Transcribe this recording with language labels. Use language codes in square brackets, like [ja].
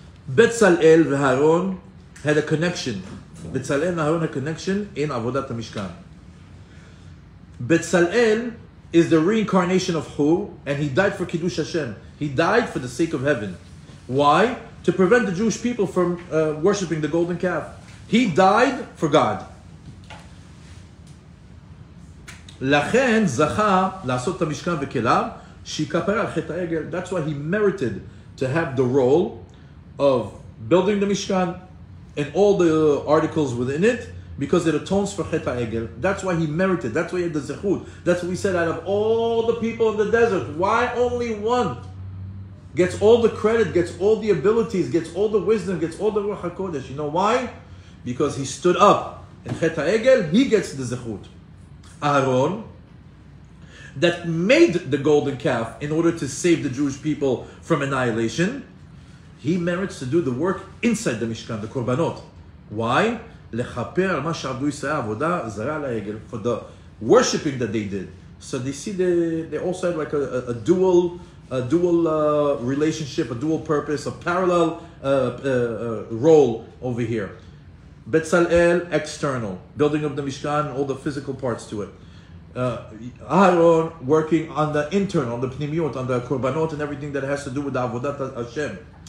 [en] Betzalel and Aharon had a connection. Betzalel and Aharon had a connection in Avodat HaMishkan. Betzalel is the reincarnation of Hur, and he died for Kiddush Hashem. He died for the sake of heaven. Why? To prevent the Jewish people from worshipping the golden calf. He died for God. [he] לכן זכה לעשות את המשכן וכליו שיכפר על חטא העגל. [en] That's why he merited to have the role of building the Mishkan and all the articles within it, because it atones for Chet HaEgel. That's why he merited. That's why he had the zechut. That's what we said, out of all the people in the desert, why only one gets all the credit, gets all the abilities, gets all the wisdom, gets all the Ruach HaKodesh? You know why? Because he stood up in Chet HaEgel, he gets the zechut. Aharon, that made the golden calf in order to save the Jewish people from annihilation, he merits to do the work inside the Mishkan, the Korbanot. Why? [he] לחפר על מה שעבדו ישראל עבודה זרה על העגל, [en] for the worshipping that they did. So they see, they also had like a dual relationship, a dual purpose, a parallel role over here. Betzalel, external, building up the Mishkan, all the physical parts to it. Aharon, working on the internal, on the pnimiot, on the korbanot and everything that has to do with the avodat Hashem.